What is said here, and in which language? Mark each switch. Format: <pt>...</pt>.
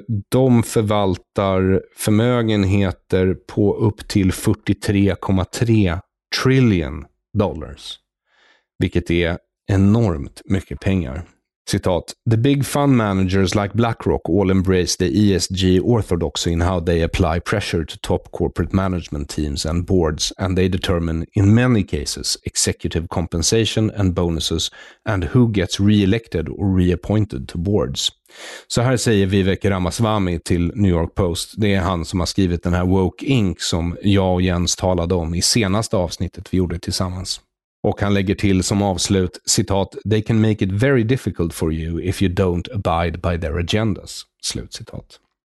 <sv>De förvaltar förmögenheter på upp till $43.3 trillion. Vilket är enormt mycket pengar. Citat,</sv> <en>the big fund managers like BlackRock all embrace the ESG orthodoxy in how they apply pressure to top corporate management teams and boards, and they determine in many cases executive compensation and bonuses and who gets re-elected or reappointed to boards.</en> <sv>Så här säger Vivek Ramaswamy till New York Post. Det är han som har skrivit den här Woke Inc. som jag och Jens talade om i senaste avsnittet vi gjorde tillsammans. Och han lägger till som avslut, citat,</sv> <en>they can make it very difficult for you if you don't abide by their agendas,</en> <sv>slut citat.</sv>